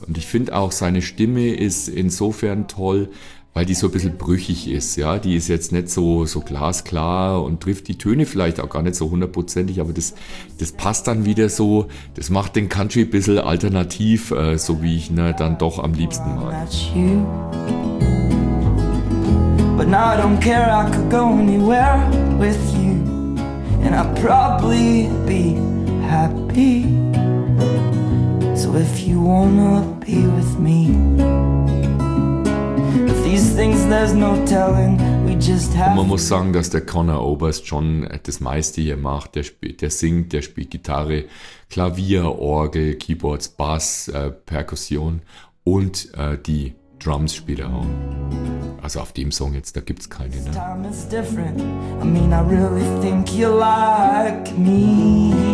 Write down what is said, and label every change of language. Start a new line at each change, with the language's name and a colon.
German: Und ich finde auch, seine Stimme ist insofern toll, weil die so ein bisschen brüchig ist. Ja, die ist jetzt nicht so glasklar und trifft die Töne vielleicht auch gar nicht so hundertprozentig, aber das passt dann wieder so. Das macht den Country ein bisschen alternativ, so wie ich ihn dann doch am liebsten mag.
English: But now I don't care, I could go anywhere with you, and I'd probably be happy. So if you wanna be with me, things, there's no telling. We just have.
German: Und man muss sagen, dass der Connor Oberst schon das meiste hier macht. Der singt, der spielt Gitarre, Klavier, Orgel, Keyboards, Bass, Perkussion und die Drums spielt er auch. Also auf dem Song jetzt, da gibt's keine, ne?
English: Time is different. I mean, I really think you like me.